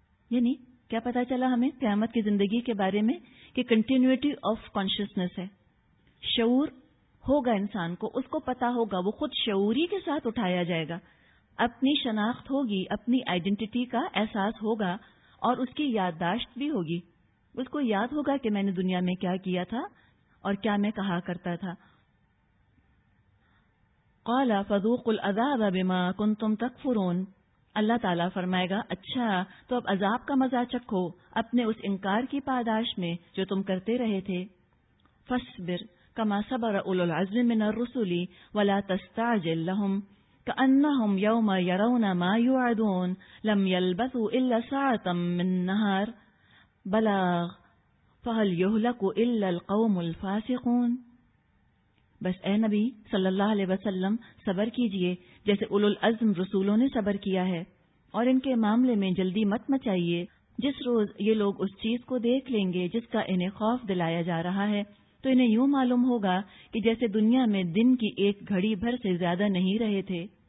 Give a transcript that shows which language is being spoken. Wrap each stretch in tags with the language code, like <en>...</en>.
<ur>یعنی کیا پتا چلا ہمیں قیامت کی زندگی کے بارے میں, کہ کنٹینیوٹی آف کانشیسنس ہے, شعور ہوگا انسان کو, اس کو پتا ہوگا, وہ خود شعوری کے ساتھ اٹھایا جائے گا, اپنی شناخت ہوگی, اپنی آئیڈینٹی کا احساس ہوگا, اور اس کی یادداشت بھی ہوگی, اس کو یاد ہوگا کہ میں نے دنیا میں کیا کیا تھا اور کیا میں کہا کرتا تھا.</ur> <ar>قال فذوقوا العذاب بما کنتم تکفرون,</ar> <ur>اللہ تعالیٰ فرمائے گا, اچھا تو اب عذاب کا مزہ چکھو اپنے اس انکار کی پاداش میں جو تم کرتے رہے تھے.</ur> <ar>فصبر کما صبر اولو العزم من الرسل ولا تستعجل لهم کأنهم یوم یرون ما یوعدون لم یلبثوا الا ساعة من نهار بلاغ فهل یهلک الا القوم الفاسقون.</ar> <ur>بس اے نبی صلی اللہ علیہ وسلم, صبر کیجئے جیسے اولو العزم رسولوں نے صبر کیا ہے, اور ان کے معاملے میں جلدی مت مچائیے. جس روز یہ لوگ اس چیز کو دیکھ لیں گے جس کا انہیں خوف دلایا جا رہا ہے, تو انہیں یوں معلوم ہوگا کہ جیسے دنیا میں دن کی ایک گھڑی بھر سے زیادہ نہیں رہے تھے.</ur>